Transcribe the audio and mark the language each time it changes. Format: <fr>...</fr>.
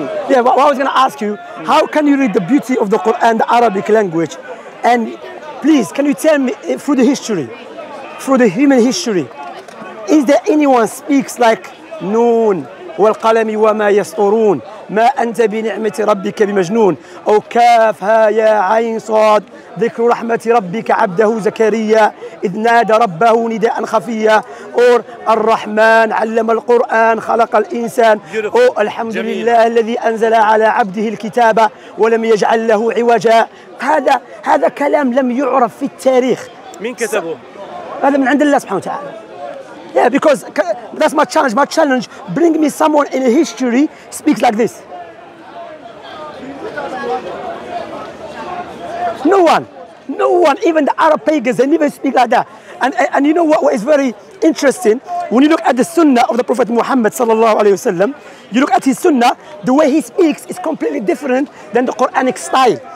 <en>Yeah, what I was going to ask you, how can you read the beauty of the Quran, the Arabic language? And please, can you tell me through the history, through the human history, is there anyone speaks like Noon?</en> <ar>والقلم وما يسطرون ما أنت بنعمة ربك بمجنون أو كاف ها يا عين صاد ذكر رحمة ربك عبده زكريا إذ نادى ربه نداء خفيا أور الرحمن علم القرآن خلق الإنسان أو الحمد جميل. لله الذي أنزل على عبده الكتاب ولم يجعل له عوجا هذا كلام لم يعرف في التاريخ من كتبه؟ هذا من عند الله سبحانه وتعالى</ar> <en>Yeah, because that's my challenge. My challenge, bring me someone in history speaks like this. No one, no one, even the Arab pagans, they never speak like that. And you know what is very interesting? When you look at the Sunnah of the Prophet Muhammad sallallahu alayhi wa sallam, you look at his Sunnah, the way he speaks is completely different than the Quranic style.</en>